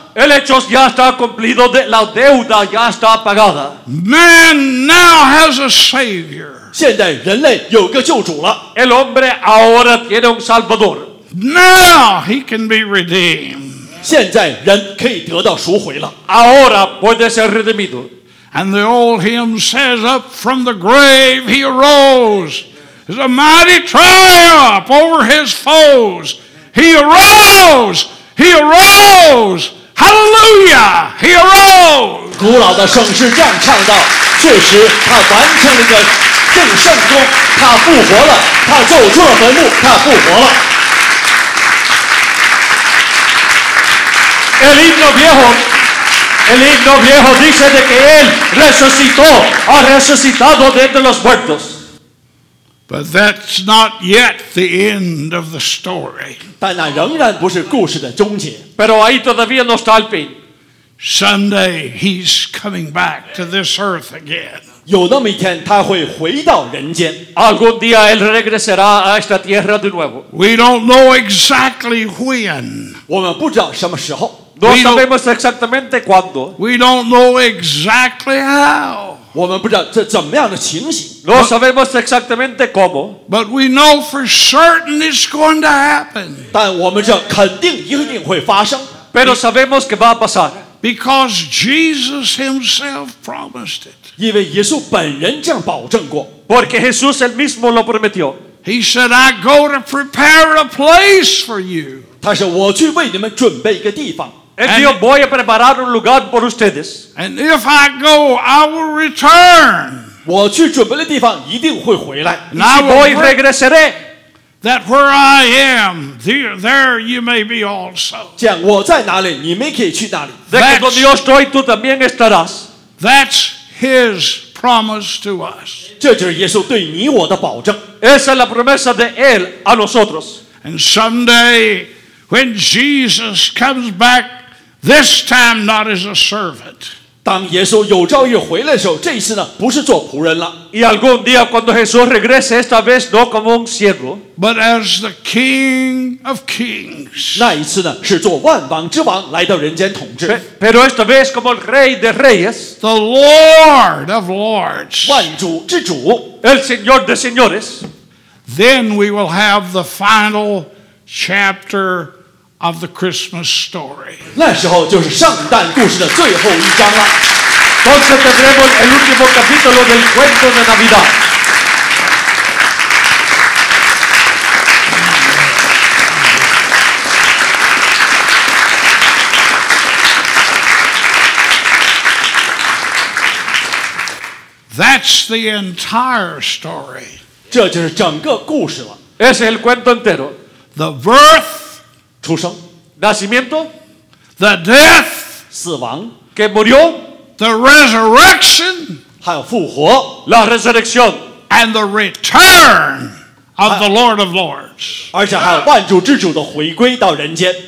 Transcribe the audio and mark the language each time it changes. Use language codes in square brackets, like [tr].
[es] El hecho ya está cumplido. La deuda ya está pagada. [en] Man now has a savior. [zh] 现在人类有个救主了。 [es] El hombre ahora tiene un salvador. [en] Now he can be redeemed. [zh] 现在人可以得到赎回了。 [es] Ahora puede ser redimido. [en] And the old hymn says, "Up from the grave he arose." It's a mighty triumph over his foes. He arose. He arose. Hallelujah. He arose. [zh] 古老的圣诗这样唱道，确实他完成了一个正圣功，他复活了，他走出了坟墓，他复活了。 [es] El himno viejo, el himno viejo dice de que él resucitó, ha resucitado de entre los muertos. [en] But that's not yet the end of the story. [zh] 但那仍然不是故事的终结。 [es] Pero ahí todavía no está el fin. [en] Someday he's coming back to this earth again. [zh] 有那么一天他会回到人间。 [es] Algún día él regresará a esta tierra de nuevo. [en] We don't know exactly when. [zh] 我们不知道什么时候。 [es] No sabemos exactamente cuándo. [en] We don't know exactly how. [zh] 我们不知道这怎么样的情形。 [es] No sabemos exactamente cómo. [en] But we know for certain it's going to happen. [zh] 但我们这肯定一定会发生。 [es] Pero sabemos que va a pasar. [en] Because Jesus himself promised it. [zh] 因为耶稣本人这样保证过。 [es] Porque Jesús él mismo lo prometió. [en] He said, "I go to prepare a place for you." [zh] 他说我去为你们准备一个地方。 [es] And yo voy a preparar un lugar por ustedes. [en] And if I go, I will return. [zh] 我去准备的地方一定会回来。 [es] Now voy regresaré. [en] That where I am, there you may be also. [zh] 这样我在哪里，你们可以去哪里。 [es] De donde yo estoy, tú también estarás. [en] That's His promise to us. [zh] 这就是耶稣对你我的保证。 [es] Esa es la promesa de él a nosotros. [en] And someday. When Jesus comes back, this time not as a servant. [zh] 当耶稣有朝一日回来的时候，这一次呢，不是做仆人了。 [es] Y algún día cuando Jesús regrese, esta vez no como un siervo, [en] but as the King of Kings. [zh] 那一次呢，是做万王之王来到人间统治。 [es] Pero esta vez como el Rey de Reyes, [en] the Lord of Lords, [zh] 万主之主 [es] el Señor de Señores. [en] Then we will have the final. Chapter of the Christmas story. [zh] 那时候就是圣诞故事的最后一章了。 [es] Entonces tendremos el último capítulo del cuento de Navidad. [en] That's the entire story. [zh] 这就是整个故事了。 [es] Es el cuento entero. [en] The birth, [zh] 出生 [es] nacimiento, [en] the death, [zh] 死亡 [es] que murió, [en] the resurrection, [zh] 还有复活 [es] la resurrección, [en] and the return of the Lord of Lords, [zh] 而且还有万主之主的回归到人间